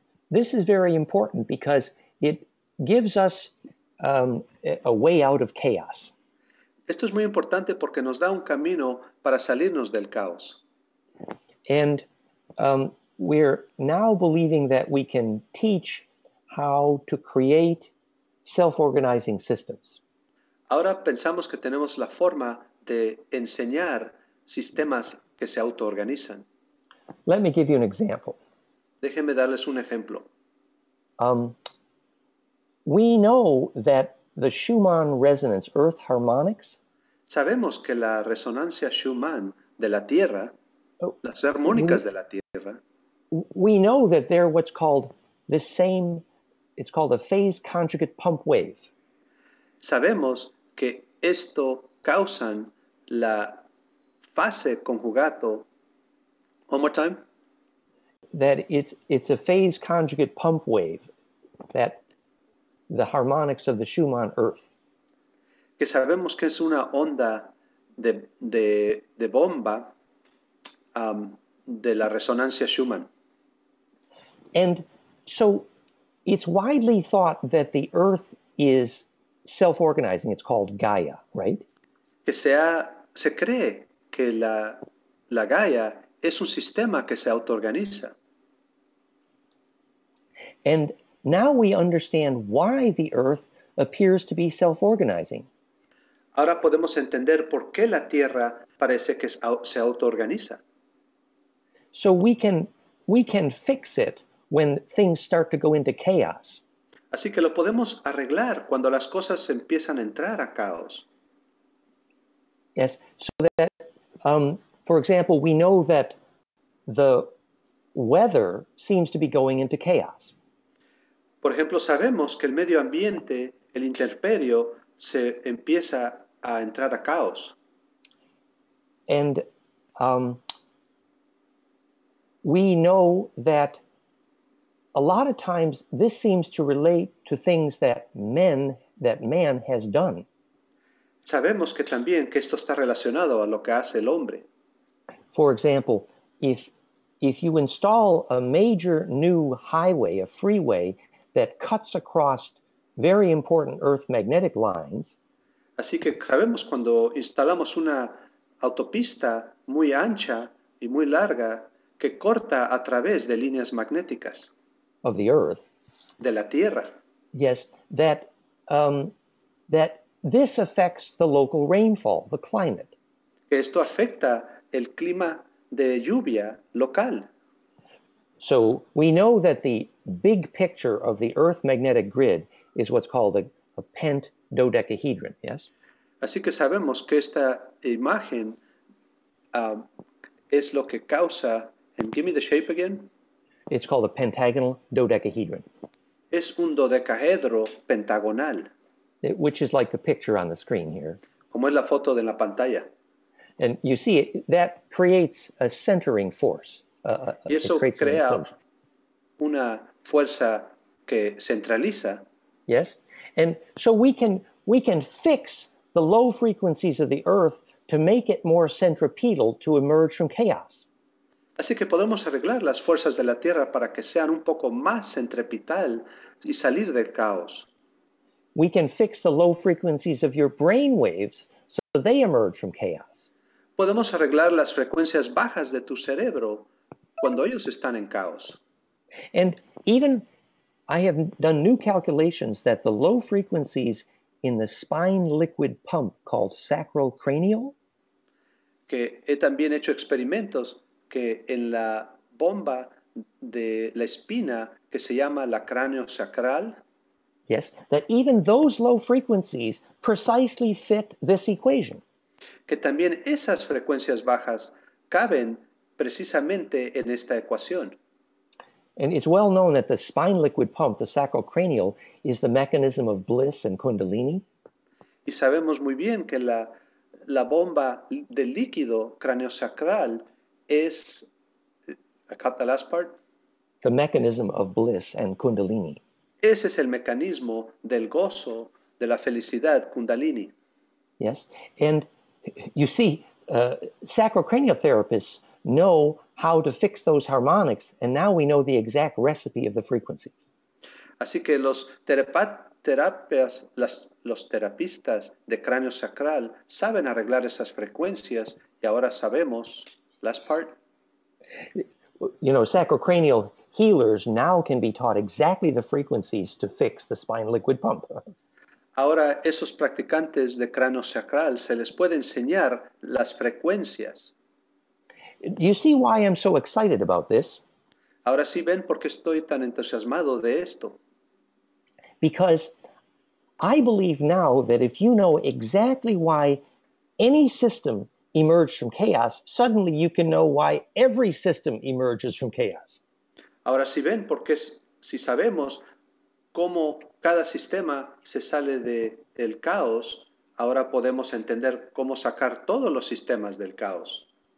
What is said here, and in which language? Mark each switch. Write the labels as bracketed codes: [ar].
[en] This is very important because it gives us a way out of chaos. [es] Esto es muy importante porque nos da un camino para salirnos del caos. [en] And we're now believing that we can teach how to create self-organizing systems. [es] Ahora pensamos que tenemos la forma de enseñar sistemas que se autoorganizan. [en] Let me give you an example. [es] Déjenme darles un ejemplo. [en] We know that the Schumann resonance, Earth harmonics, [es] sabemos que la resonancia Schumann de la Tierra, las armónicas de la Tierra, [en] we know that they're what's called the same, it's called a phase conjugate pump wave. [es] Sabemos que esto causan la fase conjugato. [en] One more time. That it's a phase conjugate pump wave, that the harmonics of the Schumann Earth. [es] Que sabemos que es una onda de bomba de la resonancia Schumann. [en] And so it's widely thought that the Earth is self-organizing. It's called Gaia, right? [es] Que se cree que la Gaia es un sistema que se autoorganiza. [en] And now we understand why the Earth appears to be self-organizing. [es] Ahora podemos entender por qué la Tierra parece que se autoorganiza. [en] So we can fix it when things start to go into chaos. [es] Así que lo podemos arreglar cuando las cosas empiezan a entrar a caos. [en] Yes, so that, for example, we know that the weather seems to be going into chaos. [es] Por ejemplo, sabemos que el medio ambiente, el intemperio, se empieza a entrar a caos. [en] And we know that a lot of times this seems to relate to things that man has done. [es] Sabemos que también que esto está relacionado a lo que hace el hombre. [en] For example, if you install a major new highway, a freeway, that cuts across very important Earth magnetic lines. [es] Así que sabemos cuando instalamos una autopista muy ancha y muy larga que corta a través de líneas magnéticas. [en] Of the Earth. [es] De la Tierra. [en] Yes, that that this affects the local rainfall, the climate. [es] Esto afecta el clima de lluvia local. [en] So we know that the big picture of the Earth magnetic grid is what's called a pent dodecahedron, yes? [es] Así que sabemos que esta imagen es lo que causa, [en] and give me the shape again. It's called a pentagonal dodecahedron. [es] Es un dodecahedro pentagonal. [en] Which is like the picture on the screen here. [es] Como es la foto de la pantalla. [en] And you see, that creates a centering force. [es] Y eso crea una fuerza que centraliza. [en] Yes, and so we can fix the low frequencies of the Earth to make it more centripetal to emerge from chaos. [es] Así que podemos arreglar las fuerzas de la Tierra para que sean un poco más centripetal y salir del caos. [en] We can fix the low frequencies of your brain waves so they emerge from chaos. [es] Podemos arreglar las frecuencias bajas de tu cerebro cuando ellos están en caos. [en] And even I have done new calculations that the low frequencies in the spine liquid pump called sacral cranial, [es] que he también hecho experimentos que en la bomba de la espina que se llama la cráneo sacral. [en] Yes, that even those low frequencies precisely fit this equation. [es] Que también esas frecuencias bajas caben precisamente en esta ecuación. [en] And it's well known that the spine liquid pump, the sacrocranial, is the mechanism of bliss and kundalini. [es] Y sabemos muy bien que la bomba de líquido craneosacral es, [en] I caught the last part. The mechanism of bliss and kundalini. [es] Ese es el mecanismo del gozo, de la felicidad, kundalini. [en] Yes, and you see, sacrocranial therapists know how to fix those harmonics, and now we know the exact recipe of the frequencies. [es] Así que los terapistas de cráneo sacral saben arreglar esas frecuencias, y ahora sabemos, [en] last part. You know, sacrocranial healers now can be taught exactly the frequencies to fix the spine liquid pump. [es] Ahora esos practicantes de cráneo sacral se les puede enseñar las frecuencias. [en] You see why I'm so excited about this? [es] Ahora sí ven por qué estoy tan entusiasmado de esto. [en] Because I believe now that if you know exactly why any system emerged from chaos, suddenly you can know why every system emerges from chaos. [es] Ahora sí ven por qué si sabemos cómo cada sistema se sale del caos, ahora podemos entender cómo sacar todos los sistemas del caos.